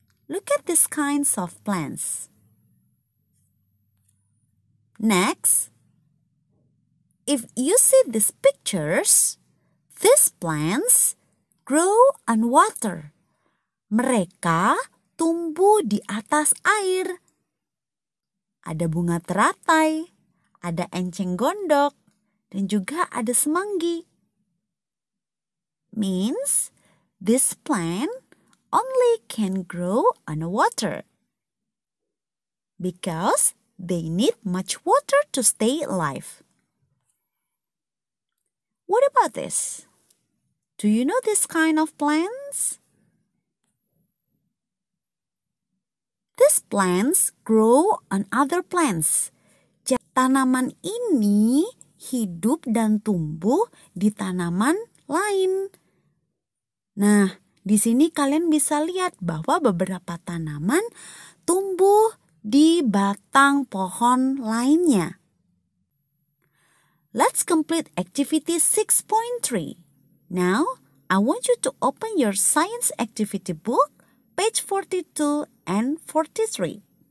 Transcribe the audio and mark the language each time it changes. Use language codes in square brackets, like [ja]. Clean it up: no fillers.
[en] Look at these kinds of plants. Next, if you see these pictures, these plants grow on water. [id] Mereka tumbuh di atas air. Ada bunga teratai, ada enceng gondok, dan juga ada semanggi. [en] Means this plant only can grow on water because they need much water to stay alive. What about this? Do you know this kind of plants? These plants grow on other plants. [id] Tanaman ini hidup dan tumbuh di tanaman lain. Nah, di sini kalian bisa lihat bahwa beberapa tanaman tumbuh di batang pohon lainnya. [en] Let's complete activity 6.3. Now, I want you to open your science activity book, page 42 and 43.